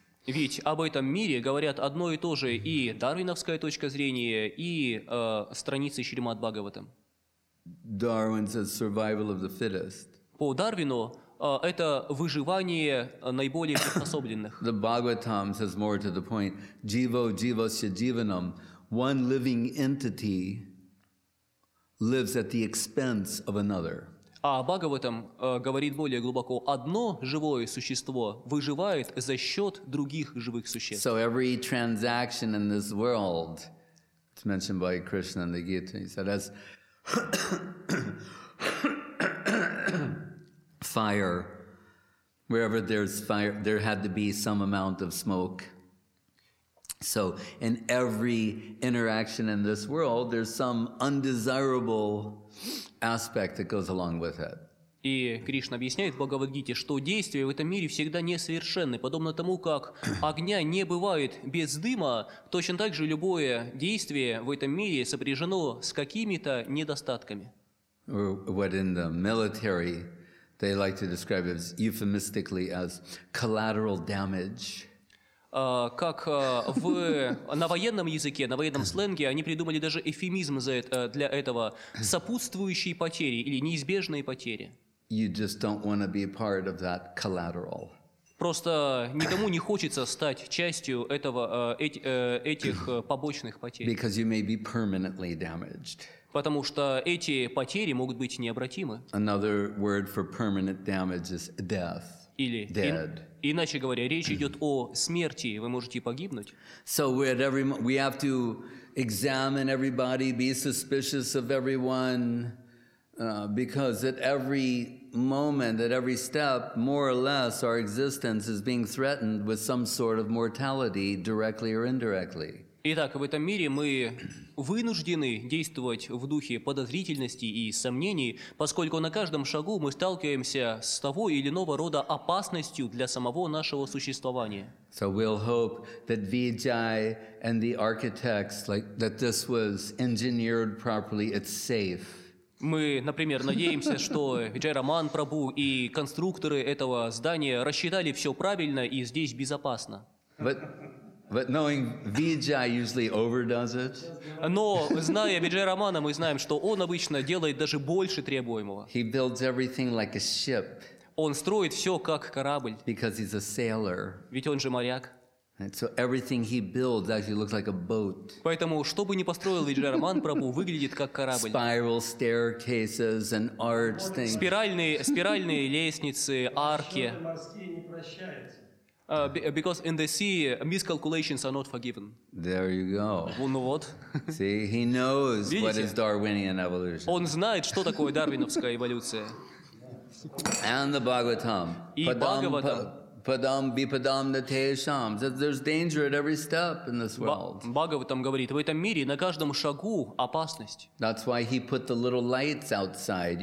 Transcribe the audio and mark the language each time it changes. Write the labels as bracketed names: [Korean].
[Russian] Ведь об этом мире говорят одно и то же и дарвиновская точка зрения, и страницы Шримад Бхагаватам. [English] Darwin says survival of the fittest. [Russian] По Дарвину это выживание наиболее приспособленных. [English] The Bhagavatam says more to the point. [Sanskrit] Jivo jivasya jivanam, [English] one living entity lives at the expense of another. [Russian] А Бхагаватам говорит более глубоко: одно живое существо выживает за счет других живых существ. [English] So every transaction in this world, it's mentioned by Krishna in the Gita, he said, as fire, wherever there's fire, there had to be some amount of smoke. So in every interaction in this world, there's some undesirable aspect that goes along with it. [Russian] И Кришна объясняет в Бхагавад-гите, что действия в этом мире всегда несовершенны, подобно тому, как огня не бывает без дыма, точно так же любое действие в этом мире сопряжено с какими-то недостатками. [English] What in the military they like to describe it euphemistically as collateral damage. [Russian] Как на военном языке, на военном сленге, они придумали даже эвфемизм для этого: сопутствующие потери или неизбежные потери. [English] You just don't want to be part of that collateral. [Russian] Просто никому не хочется стать частью этих побочных потерь. [English] Because you may be permanently damaged. [Russian] Потому что эти потери могут быть необратимы. [English] Another word for permanent damage is death. [Russian] Или [English] dead. [Russian] Иначе говоря, речь идет о смерти. Вы можете погибнуть. [English] So we have to examine everybody, be suspicious of everyone. Because at every moment, at every step, more or less, our existence is being threatened with some sort of mortality, directly or indirectly. [Russian] Итак, в этом мире мы вынуждены действовать в духе подозрительности и сомнений, поскольку на каждом шагу мы сталкиваемся с того или иного рода опасностью для самого нашего существования. [English] So we'll hope that Vijay and the architects, like that this was engineered properly, it's safe. [Russian] Мы, например, надеемся, что Джераман Прабу и конструкторы этого здания рассчитали все правильно и здесь безопасно. [English] But knowing Vijay usually overdoes it. [Russian] Но зная Виджайрамана, мы знаем, что он обычно делает даже больше требуемого. [English] He builds everything like a ship. [Russian] Он строит все как корабль. [English] Because he's a sailor. [Russian] Ведь он же моряк. [English] And so everything he builds actually looks like a boat. [Russian] Поэтому, что бы ни построил Виджайраман Прабу, выглядит как корабль. [English] Spiral staircases and arch things. [Russian] Спиральные лестницы, арки. [English] Because in the sea, miscalculations are not forgiven. There you go. [Russian] Ну вот. [English] See, he knows what is Darwinian evolution. [Russian] Он знает, что такое дарвиновская эволюция. [English] And the Bhagavatam. [Russian] И Бхагаватам. [Sanskrit] Padam bipadam natesham. [English] There's danger at every step in this world. [Russian] Бхагаватам говорит, в этом мире на каждом шагу опасность. [English] That's why he put the little lights outside.